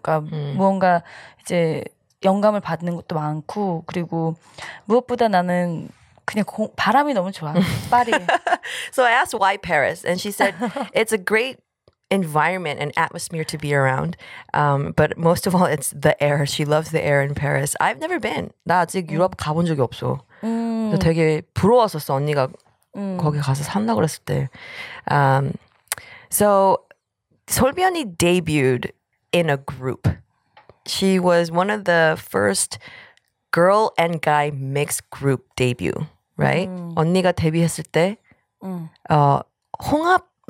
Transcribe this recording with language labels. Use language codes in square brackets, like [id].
[ko] 그러니까 무언가 이제 영감을 받는 것도 많고 그리고 무엇보다 나는 그냥 바람이 너무 좋아. 파리. [en] So I asked why Paris and she said it's a great environment and atmosphere to be around. But most of all it's the air. She loves the air in Paris. I've never been. [ko] 나 아직 유럽 가본 적이 없어. 되게 부러웠었어 언니가 거기 가서 산다 그랬을 때. [en] So Solbi 언니 debuted in a group. She was one of the first girl and guy mixed group debut, right? [ko] 언니가 데뷔했을 때 홍합